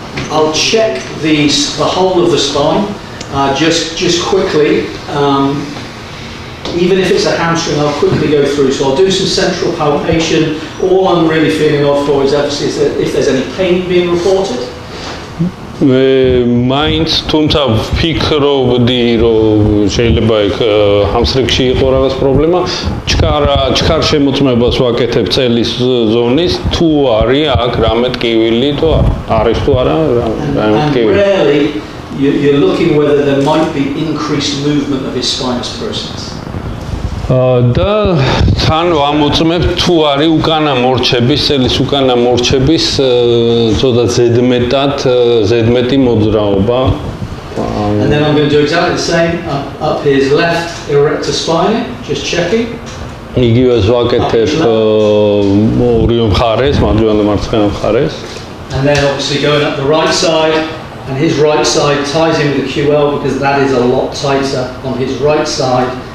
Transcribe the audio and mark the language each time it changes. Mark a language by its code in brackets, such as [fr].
[en] I'll check the whole of the spine just quickly. Even if it's a hamstring, I'll quickly go through. So I'll do some central palpation. All I'm really feeling off for is obviously if there's any pain being reported. [ka] მე მაინც თუმცა ვფიქრობდი რომ შეიძლება ეგ ჰამსრიკში იყო რაღაც პრობლემა ჩქარ შემოწმებას ვაკეთებ წელის ზონის თუ არის აქ რამე ტკივილი თუ არის თუ არა რამე ტკივილი [en] you're looking whether there might be increased movement of his spinous process [ka] და თან ამოწმებ თუ არის უკანა მორჩების წელის უკანა მორჩების ცოტა ზედმეტი მოძრაობა [en] And then I'm going to do exactly the same up his left erector spine just checking [ka] იგივე ვაკეთებ ორივე მხარეს მარჯვენა მარცხენა მხარეს [en] And then obviously going up the right side and his right side ties in with the QL because that is a lot tighter on his right side